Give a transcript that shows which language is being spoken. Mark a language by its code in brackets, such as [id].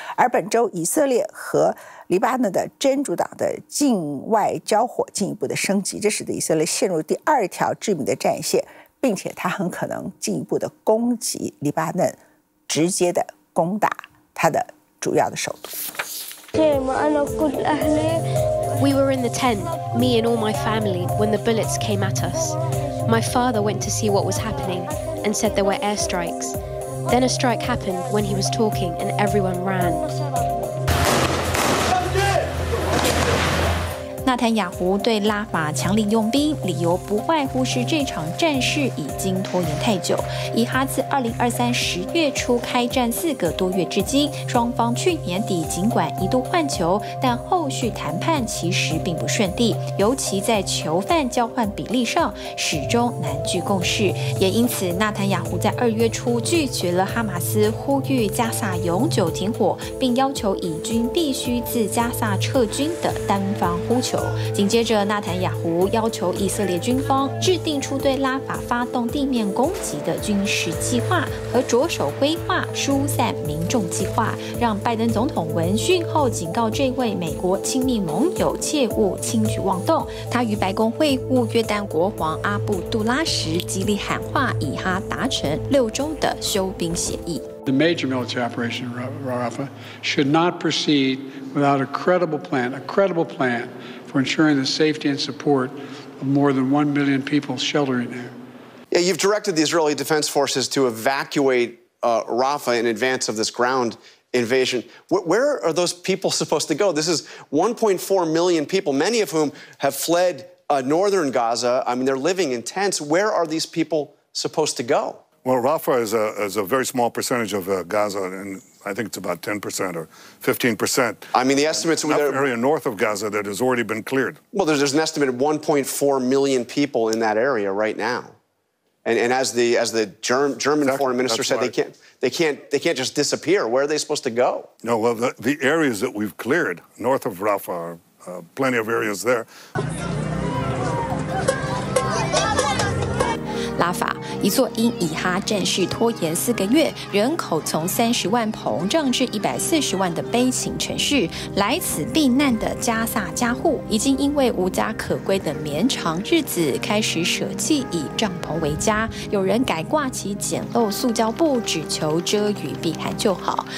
[zh] 而本周以色列和黎巴嫩的真主党的境外交火进一步的升级，这使得以色列陷入第二条致命的战线，并且他很可能进一步的攻击黎巴嫩，直接的攻打他的主要的首都。 [en] We were in the tent, me and all my family, when the bullets came at us. My father went to see what was happening and said there were airstrikes. Then a strike happened when he was talking and everyone ran. [zh] 纳坦雅胡对拉法强力用兵，理由不外乎是这场战事已经拖延太久。以哈自2023十月初开战4个多月至今，双方去年底尽管一度换球，但后续谈判其实并不顺利，尤其在囚犯交换比例上始终难具共识。也因此，纳坦雅胡在2月初拒绝了哈马斯呼吁加萨永久停火，并要求以军必须自加萨撤军的单方呼求。走。紧接着，纳坦雅胡要求以色列军方制定出对拉法发动地面攻击的军事计划和着手规划疏散民众计划，让拜登总统闻讯后警告这位美国亲密盟友切勿轻举妄动。他与白宫会晤约旦国王阿布杜拉时，极力喊话以哈达成六周的休兵协议。 [en] The major military operation Rafah should not proceed without a credible plan for ensuring the safety and support of more than 1 million people sheltering there. Yeah, you've directed the Israeli Defense Forces to evacuate Rafah in advance of this ground invasion. Where are those people supposed to go? This is 1.4 million people, many of whom have fled northern Gaza. I mean, they're living in tents. Where are these people supposed to go? Well, Rafah is a very small percentage of Gaza, and I think it's about 10% or 15%. I mean, the estimates... The area north of Gaza that has already been cleared. Well, there's an estimate of 1.4 million people in that area right now. And as the German exactly. foreign minister said, they can't just disappear. Where are they supposed to go? No, well, the areas that we've cleared north of Rafah are plenty of areas there. [zh] Rafah, 一座因以哈战事拖延四个月，人口从300,000膨胀至1,400,000的悲情城市，来此避难的加萨家户已经因为无家可归的绵长日子，开始舍弃以帐篷为家，有人改挂起简陋塑胶布，只求遮雨避寒就好。